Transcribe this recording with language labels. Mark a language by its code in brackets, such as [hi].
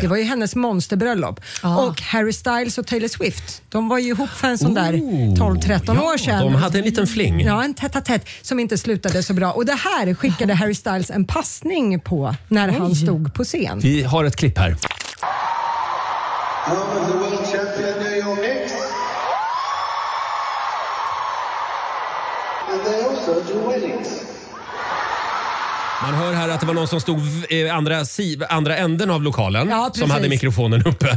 [sv] Det var ju hennes monsterbröllop. Ah. Och Harry Styles och Taylor Swift, de var ju ihop för en sån där 12-13 år sedan. De hade en liten fling. Ja, en tätt som inte slutade så bra. Och det här skickade Harry Styles en passning på när han stod på scen. Vi har ett klipp här. [en] home of the world champion New York Knicks. And they also do weddings. [sv] Man hör här att det var någon som stod i andra änden av lokalen, ja, som hade mikrofonen uppe.